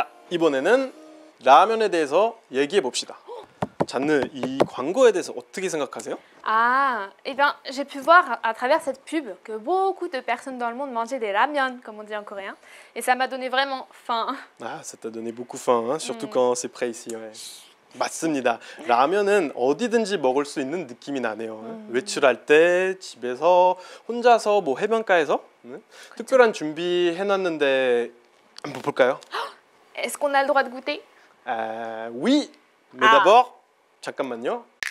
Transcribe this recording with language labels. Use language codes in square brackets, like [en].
[ko] 이번에는 라면에 대해서 얘기해 봅시다. 잔느, 이 광고에 대해서 어떻게 생각하세요? [fr] Ah, eh bien, j'ai pu voir à travers cette pub que beaucoup de personnes dans le monde mangeaient des ramen, comme on dit en coréen, et ça m'a donné vraiment faim. Ah, ça t'a donné beaucoup faim, hein, surtout quand c'est prêt ici. Ouais. [ko] 맞습니다. 라면은 어디든지 먹을 수 있는 느낌이 나네요. 외출할 때, 집에서, 혼자서, 뭐 해변가에서. 그쵸. 특별한 준비해 놨는데 한번 볼까요? [fr] Est-ce qu'on a le droit de goûter? Oui, mais d'abord, [ko] 잠깐만요.